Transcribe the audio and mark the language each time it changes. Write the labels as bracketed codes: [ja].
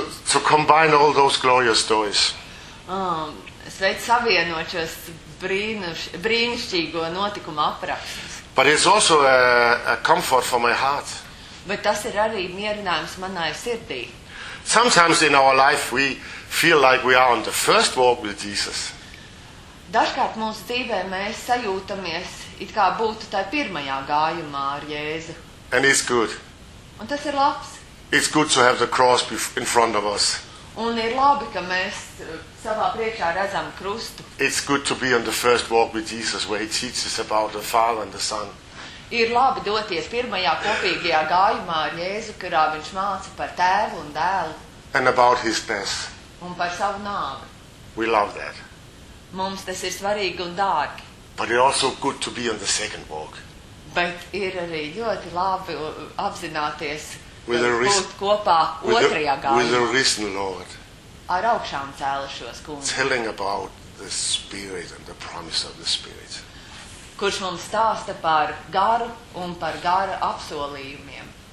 [en] To combine all those glorious stories. [lv] Sveic savienot šos brīnišķīgo notikumu aprakstus. [en] But it's also a comfort for my heart. [lv] Bet tas ir arī mierinājums manai sirdī. [en] Sometimes in our life we feel like we are on the first walk with Jesus. [lv] Dažkārt mūsu dzīvē mēs sajūtamies, it kā būtu tā pirmajā gājumā ar Jēzu. [en] And it's good. [lv] Un tas ir labs. [en] It's good to have the cross in front of us. [lv] Un ir labi, ka mēs savā priekšā redzam krustu. [en] It's good to be on the first walk with Jesus where he teaches about the Father and the Son. [lv] Ir labi doties pirmajā kopīgajā gājumā ar Jēzu, kurā viņš māca par tēvu un dēlu. [en] And about his death. [lv] Un par savu nāvi. [en] We love that. [lv] Mums tas ir svarīgi un dārgi. [en] But it's also good to be on the second walk. [lv] Bet ir arī ļoti labi apzināties, [en] with a risen, [lv] kopā otrajā gājumā. [en] With a risen Lord. [lv] ar augšām cēlušos kungu. [en] Telling about the spirit and the promise of the spirit. [lv] Kurš mums stāsta par garu un par gara apsolījumiem.